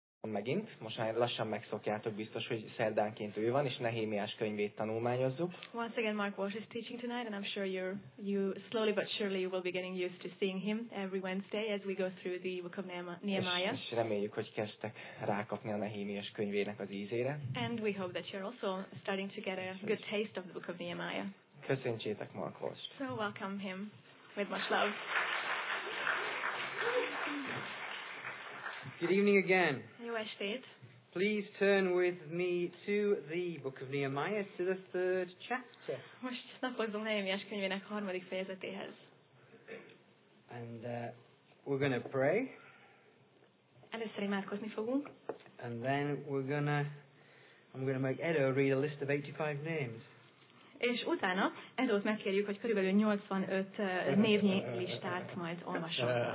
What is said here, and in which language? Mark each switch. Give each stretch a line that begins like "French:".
Hungarian: megint, most már lassan megszokjátok biztos, hogy szerdánként ő van, és Nehémiás könyvét tanulmányozzuk.
English: Once again, Mark Walsh is teaching tonight, and I'm sure you slowly but surely you will be getting used to seeing him every Wednesday as we go through the book of Nehemiah.
Hungarian: És reméljük, hogy kezdtek rákapni a Nehémiás könyvének az ízére.
English: And we hope that you're also starting to get a good taste of the book of Nehemiah.
Hungarian: Köszöntsétek Mark Walsh-t.
English: So welcome him with much love. Good evening again.
Hungarian: Jó estét.
English: Please turn with me to the book of Nehemiah, to the third chapter.
Hungarian: Most napozzunk Nehémiás könyvének harmadik fejezetéhez.
English: And we're going to pray.
Hungarian: Először imádkozni fogunk.
English: And then I'm going to make Edo read a list of 85 names.
Hungarian: És utána Edo-t megkérjük, hogy körülbelül 85 névnyi listát majd olvasson.